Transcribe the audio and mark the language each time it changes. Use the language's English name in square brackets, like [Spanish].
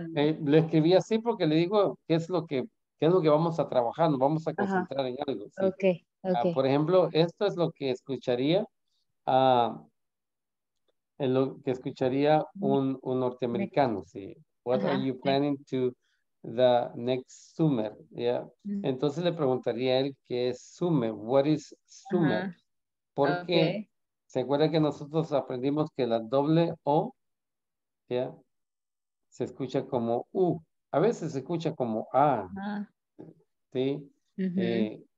[Spanish] Lo escribí así porque le digo qué es lo que vamos a trabajar, nos vamos a concentrar en algo. ¿Sí? Okay. Por ejemplo, esto es lo que escucharía un norteamericano. Sí. [English] What are you planning to the next summer? Yeah. Mm-hmm. [Spanish] Entonces le preguntaría a él qué es summer. [English] What is summer? [Spanish] Porque ¿se acuerda que nosotros aprendimos que la doble O, ¿ya? Se escucha como U, A veces se escucha como A. Sí. Uh-huh.